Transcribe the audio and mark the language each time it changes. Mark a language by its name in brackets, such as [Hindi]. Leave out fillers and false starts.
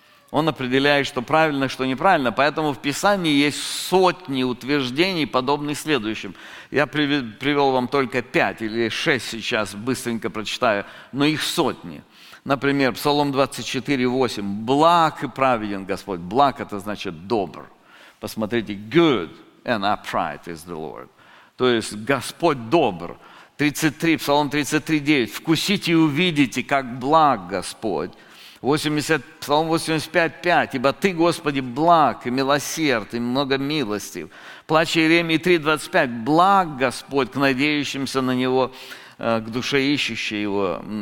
[Russian] Он определяет, что правильно, что неправильно. Поэтому в Писании есть сотни утверждений, подобные следующим. Я привел вам только 5 или 6 сейчас, быстренько прочитаю, но их сотни. Например, Псалом 24:8. «Благ и праведен Господь». «Благ» – это значит «добр». Посмотрите, [English] «good and upright is the Lord». [Russian] То есть «Господь добр». Псалом 33:9. «Вкусите и увидите, как благ Господь». Псалом 85:5. «Ибо Ты, Господи, благ и милосерд, и много милостив». Плач Иеремии 3:25. «Благ Господь к надеющимся на Него, к душе ищущей Его».